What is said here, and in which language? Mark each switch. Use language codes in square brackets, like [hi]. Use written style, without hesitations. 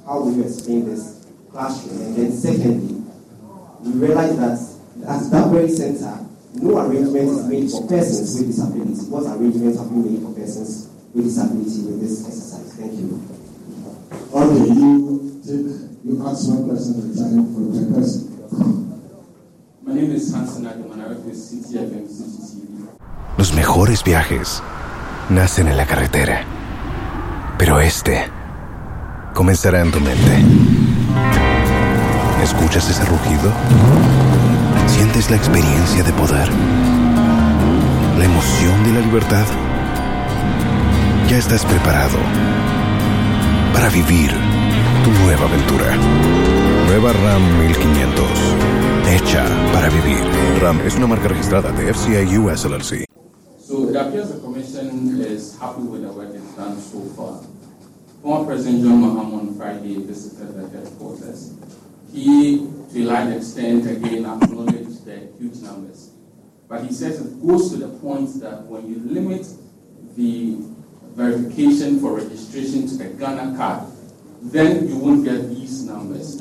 [en] How will you explain this classroom? And then secondly, we realize that at that very center, no arrangement is made for persons with disabilities. What arrangements have you made for persons with disability with this exercise? Thank you. Okay, you ask one person to resign for the person. [es] Los mejores viajes nacen en la carretera, pero este comenzará en tu mente. ¿Escuchas ese rugido? ¿Sientes la experiencia de poder? ¿La emoción de la libertad? Ya estás preparado para vivir tu nueva aventura. Nueva Ram 1500. Hecha para vivir. Ram es una marca registrada de FCA US LLC. [en] So it appears the commission is happy with the work it's done so far. Former President John Mahama on Friday visited the headquarters. He, to a large extent, again acknowledged the huge numbers. But he says it goes to the point that when you limit the verification for registration to the Ghana card, then you won't get these numbers.